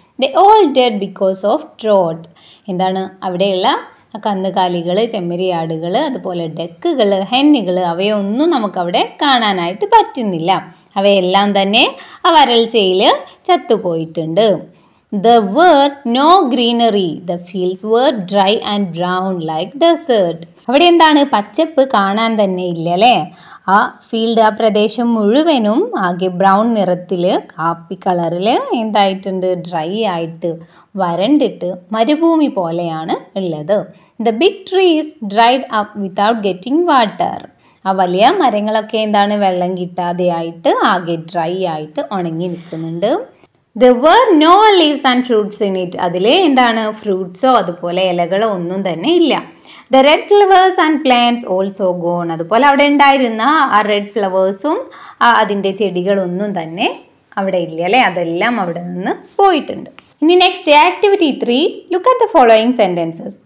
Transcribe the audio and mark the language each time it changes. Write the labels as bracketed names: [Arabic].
[English] The all dead because of drought. [Malayalam] എന്താണ്? അവിടെയുള്ള കന്നുകാലികൾ, ചെമ്മരിയാടുകൾ, അതുപോലെ ഡക്കുകൾ, ഹെന്നുകൾ, അവയൊന്നും നമുക്കവിടെ കാണാനായിട്ട് പറ്റുന്നില്ല. അവയെല്ലാം തന്നെ ആ വരൾച്ചയിൽ ചത്തുപോയിട്ടുണ്ട്. [English] There were no greenery. The fields were dry and brown like desert. [Malayalam] അവിടെ എന്താണ്? പച്ചപ്പ് കാണാൻ തന്നെ ഇല്ല അല്ലേ. ആ ഫീൽഡ്, ആ പ്രദേശം മുഴുവനും ആകെ ബ്രൗൺ നിറത്തിൽ, കാപ്പി കളറിൽ എന്തായിട്ടുണ്ട്? ഡ്രൈ ആയിട്ട് വരണ്ടിട്ട് മരുഭൂമി പോലെയാണ് ഉള്ളത്. [English] The big trees dried up without getting water. [Malayalam] ആ വലിയ മരങ്ങളൊക്കെ എന്താണ്? വെള്ളം കിട്ടാതെയായിട്ട് ആകെ ഡ്രൈ ആയിട്ട് ഉണങ്ങി നിൽക്കുന്നുണ്ട്. [English] There were no leaves and fruits in it. [Malayalam] അതിലെ എന്താണ്? ഫ്രൂട്ട്സോ അതുപോലെ ഇലകളോ ഒന്നും തന്നെ ഇല്ല. [English] The red flowers and plants also gone. [Malayalam] അതുപോലെ അവിടെ ഉണ്ടായിരുന്ന ആ റെഡ് ഫ്ലവേഴ്സും അതിൻ്റെ ചെടികളൊന്നും തന്നെ അവിടെ ഇല്ല അല്ലേ. അതെല്ലാം അവിടെ നിന്ന് പോയിട്ടുണ്ട്. ഇനി next activity 3, [English] Look at the following sentences.